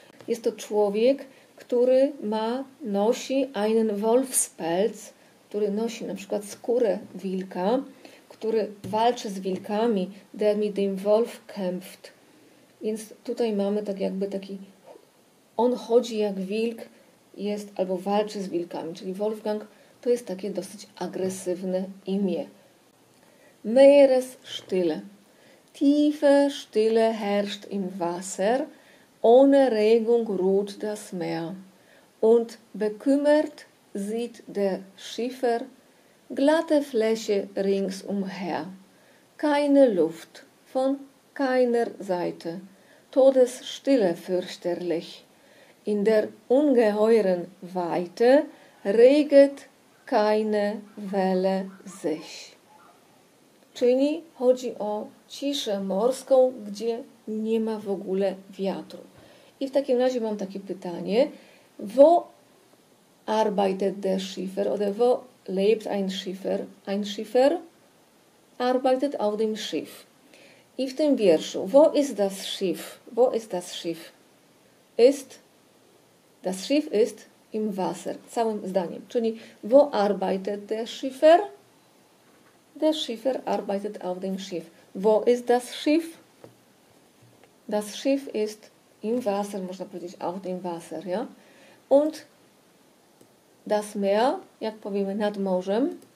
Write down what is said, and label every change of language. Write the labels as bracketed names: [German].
[Polish] Jest to człowiek, który nosi [German] einen Wolfspelz, [Polish] który nosi na przykład skórę wilka, który walczy z wilkami, [German] der mit dem Wolf kämpft. [Polish] Więc tutaj mamy tak jakby taki, on chodzi jak wilk, jest albo walczy z wilkami, czyli Wolfgang to jest takie dosyć agresywne imię. [German] Meeresstille. Tiefe Stille herrscht im Wasser, ohne Regung ruht das Meer. Und bekümmert sieht der Schiffer glatte Fläche ringsumher. Keine Luft von keiner Seite, Todesstille fürchterlich. In der ungeheuren Weite reget keine Welle sich. [Polish] Czyli chodzi o ciszę morską, gdzie nie ma w ogóle wiatru. I w takim razie mam takie pytanie. [German] Wo arbeitet der Schiffer? Oder wo lebt ein Schiffer? Ein Schiffer arbeitet auf dem Schiff. [Polish] I w tym wierszu. [German] Wo ist das Schiff? Wo ist das Schiff? Ist das Schiff ist im Wasser. [Polish] Całym zdaniem. [German] Czyli wo arbeitet der Schiffer? Der Schiffer arbeitet auf dem Schiff. Wo ist das Schiff? Das Schiff ist im Wasser, [Polish] można powiedzieć [German] auf dem Wasser. Ja? Und das Meer, [Polish] jak powiemy, nad morzem.